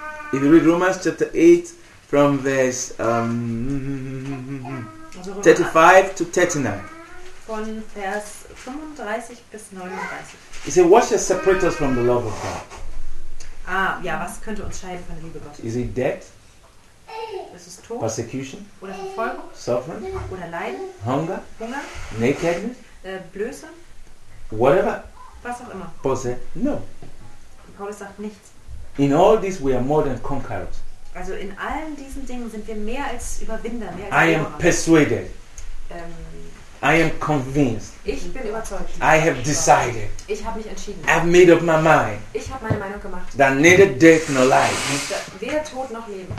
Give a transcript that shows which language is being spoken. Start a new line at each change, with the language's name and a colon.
English: If you read Romans chapter 8 from verse 35 to 39.
German: Von Vers 35 bis 39.
English: He said, what shall separate us from the love of God?
German: Ah, ja, was könnte uns scheiden von der Liebe Gottes?
English: Is it death?
German: Ist es Tod?
English: Persecution?
German: Oder Verfolgung?
English: Suffering?
German: Oder Leiden?
English: Hunger?
German: Hunger?
English: Nakedness?
German: Blöße?
English: Whatever.
German: Was auch immer.
English: Paul said, no.
German: Paulus sagt nichts.
English: In all this we are more than conquerors.
German: Also in allen diesen Dingen sind wir mehr als Überwinder, mehr als Überwinder.
English: I am persuaded. I am convinced.
German: Ich bin überzeugt.
English: I have decided.
German: Ich habe mich entschieden.
English: I've made up my mind.
German: Ich habe meine Meinung gemacht.
English: That neither death nor life.
German: Weder Tod noch Leben.